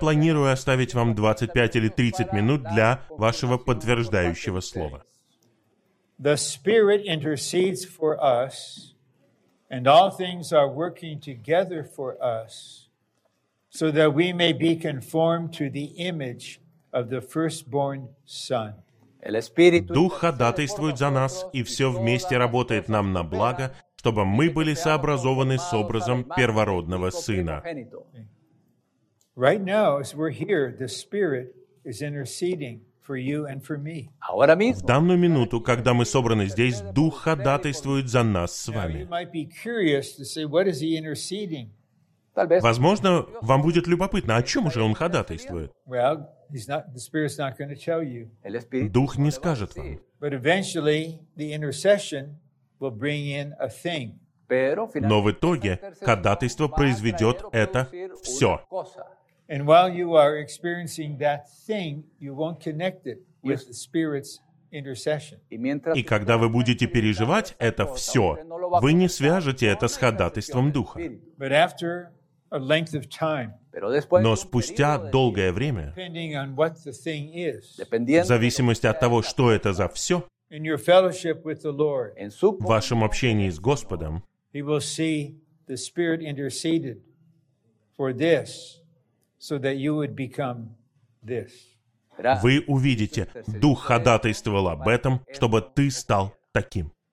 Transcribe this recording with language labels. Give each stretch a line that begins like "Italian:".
Russian: планирую оставить вам 25 или 30 минут для вашего подтверждающего слова.
English: The Spirit intercedes for us, and all things are working together for us, so that we may be conformed to the image of the firstborn Son.
Russian: Дух ходатайствует за нас, и все вместе работает нам на благо, чтобы мы были сообразованы с образом первородного Сына.
English: Right now, as we're here, the Spirit is interceding for you and for me.
Russian: В данную минуту, когда мы собраны здесь, Дух ходатайствует за нас с вами.
English: You might be curious to say, what is he interceding?
Russian: Возможно, вам будет любопытно, о чем же он ходатайствует?
English: Well, the Spirit's not going to tell you.
Russian: Дух не скажет вам.
English: But eventually, the intercession will bring in a thing.
Russian: Но в итоге ходатайство произведет это все.
English: And while you are experiencing that thing, you won't connect it with the Spirit's intercession.
Russian: И когда вы будете переживать это все, вы не свяжете это с ходатайством Духа.
English: But after a length of time.
Russian: Но спустя долгое время, в зависимости от того, что это за все, в вашем общении с Господом, вы увидите, Дух ходатайствовал об этом, чтобы ты стал таким.